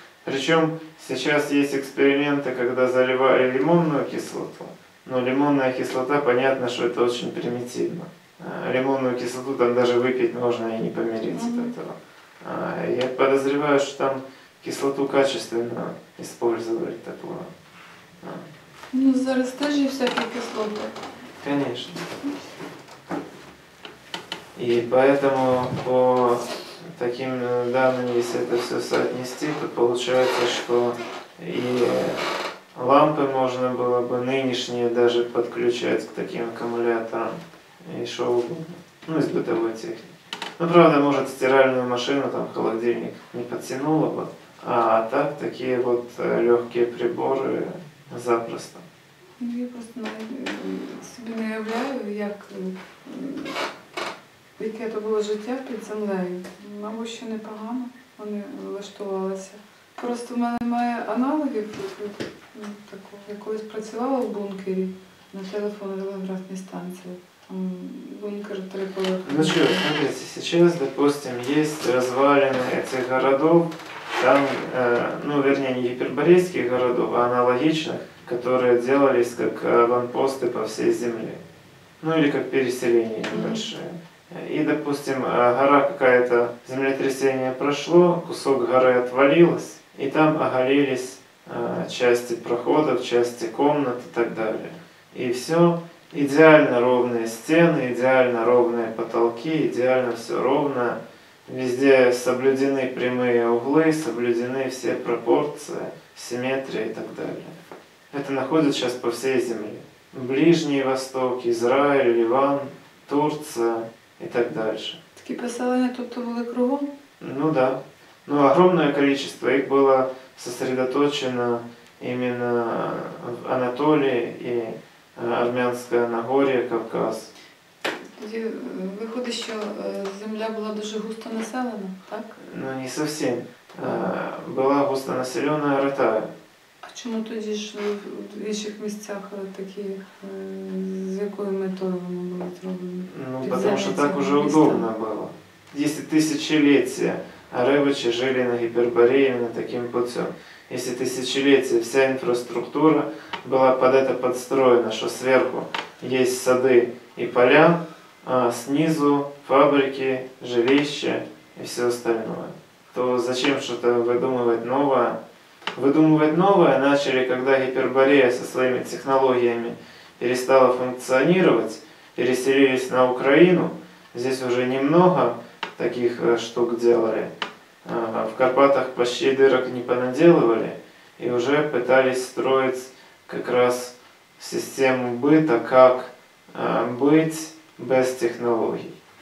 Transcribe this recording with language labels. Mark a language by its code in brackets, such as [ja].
[ru] Причем сейчас есть эксперименты, когда заливали лимонную кислоту. Но лимонная кислота, понятно, что это очень примитивно. Лимонную кислоту там даже выпить можно и не помириться от этого. Я подозреваю, что там кислоту качественно использовали такую. [uk] Ну, зараз теж є всякі кислоти. [ru] Конечно. И поэтому по таким данным, если это все соотнести, то получается, что и лампы можно было бы нынешние даже подключать к таким аккумуляторам и шоу, ну, из бытовой техники. Ну, правда, может, стиральную машину, там, холодильник не подтянуло бы, а так, такие вот легкие приборы запросто. [uk] Ну, я просто собі не уявляю, як, яке то було життя під землею. Мабуть, що непогано вони влаштувалися. Просто в мене немає аналогів такого. Я колись працювала в бункері на телефонно-телеграфній станції. Там бункер триповерховий. [ru] Ну що, смотрите, сейчас, допустим, [uk] є розвалини цих [ru] городов, там, ну, вернее, не гіперборейських городов, а аналогічних, которые делались как аванпосты по всей земле, ну или как переселения небольшие. И, допустим, гора какая-то, землетрясение прошло, кусок горы отвалилось, и там оголились части проходов, части комнат и так далее. И все, идеально ровные стены, идеально ровные потолки, идеально все ровно. Везде соблюдены прямые углы, соблюдены все пропорции, симметрия и так далее. Это находится сейчас по всей Земле. Ближний Восток, Израиль, Ливан, Турция и так дальше. Такие поселения тут были кругом? Ну да. Но огромное количество их было сосредоточено именно в Анатолии и Армянское Нагорье, Кавказ. [uk] Виходить, що земля була дуже густо населена, так? Ну, не зовсім. Була густо населена Ратая. А чому тоді ж в інших місцях такі, з якою метою воно було зроблено? Ну, тому що так вже удобно було. 10 тисячоліття Аребичі жили на Гіпербореї, на таким путем. 10 тисячоліття вся інфраструктура була під це підстроєна, що зверху є сади і поля, [ru] а снизу фабрики, жилища и все остальное. То зачем что-то выдумывать новое? Выдумывать новое начали, когда Гиперборея со своими технологиями перестала функционировать, переселились на Украину. Здесь уже немного таких штук делали. В Карпатах почти дырок не понаделывали. И уже пытались строить как раз систему быта, как быть без технологий.